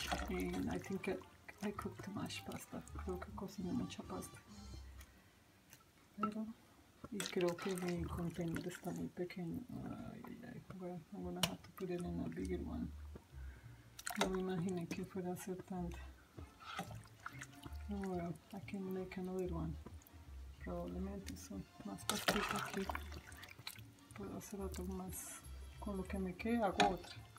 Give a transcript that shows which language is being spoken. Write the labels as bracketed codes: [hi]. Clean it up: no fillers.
[en] And I think I cooked too much pasta. [es] Creo que cociné mucha pasta. Pero, y creo que mi contenedor está muy pequeño. [en] I'm gonna have to put it in a bigger one. [es] No me imaginé que fuera a ser tanta. [en] Oh well, I can make another one. [es] Probablemente son más pastitas aquí. Puedo hacer otro más con lo que me quede, hago otra.